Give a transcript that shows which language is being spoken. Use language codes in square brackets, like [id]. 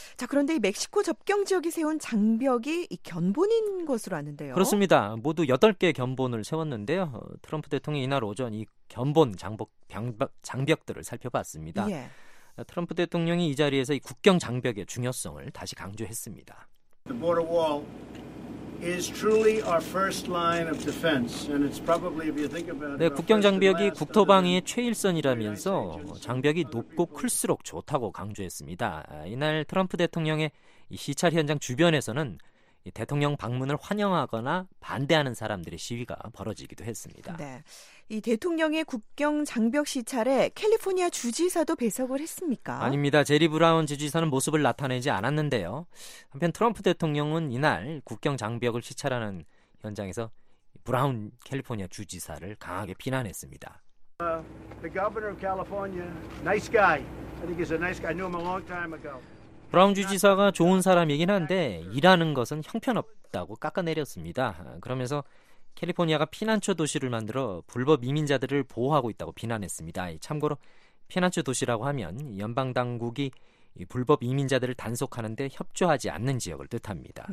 [ko] 자, 그런데 이 멕시코 접경 지역이 세운 장벽이 이 견본인 것으로 아는데요. 그렇습니다. 모두 8개 견본을 세웠는데요. 트럼프 대통령이 이날 오전 이 견본 장벽들을 살펴봤습니다. 예. 트럼프 대통령이 이 자리에서 이 국경 장벽의 중요성을 다시 강조했습니다. [en] The border wall is truly our first line of defense and it's probably if you think about it. [ko] 네, 국경 장벽이 국토 방위의 최일선이라면서 장벽이 높고 클수록 좋다고 강조했습니다. 이날 트럼프 대통령의 시찰 현장 주변에서는 대통령 방문을 환영하거나 반대하는 사람들의 시위가 벌어지기도 했습니다. 네. 이 대통령의 국경 장벽 시찰에 캘리포니아 주지사도 배석을 했습니까? 아닙니다. 제리 브라운 주지사는 모습을 나타내지 않았는데요. 한편 트럼프 대통령은 이날 국경 장벽을 시찰하는 현장에서 브라운 캘리포니아 주지사를 강하게 비난했습니다. [en] The governor of California, nice guy. I think he's a nice guy. I knew him a long time ago. [ko] 브라운 주지사가 좋은 사람이긴 한데 일하는 것은 형편없다고 깎아내렸습니다. 그러면서 캘리포니아가 피난처 도시를 만들어 불법 이민자들을 보호하고 있다고 비난했습니다. 참고로 피난처 도시라고 하면 연방당국이 불법 이민자들을 단속하는데 협조하지 않는 지역을 뜻합니다.